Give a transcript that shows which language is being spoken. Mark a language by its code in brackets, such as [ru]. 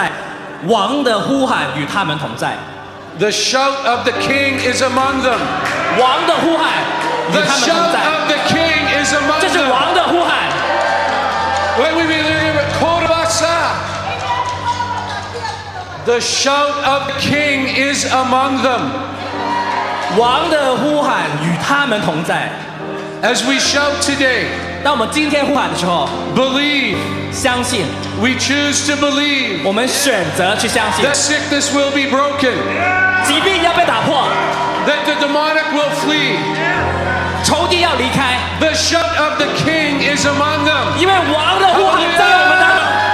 [zh] 他在雅各中没有察觉罪孽，他也没有看见以色列当中的邪恶。主耶和华与他同在，王的呼喊与他们同在。 [en] The shout of the king is among them. [zh] 王的呼喊与他们同在。 [en] The shout of the king is among them. [zh] 这是王的呼喊。 [en] When we believe it, Korvasa. The shout of the king is among them. [zh] 王的呼喊与他们同在。 [en] As we shout today, [zh] 当我们今天呼喊的时候, [en] believe, [zh] 相信, [en] we choose to believe, [zh] 我们选择去相信, [en] that sickness will be broken, [zh] 疾病要被打破, [en] that the demonic will flee, [zh] 仇敌要离开, [en] the shout of the king is among them. [zh] 因为王的呼喊在我们当中。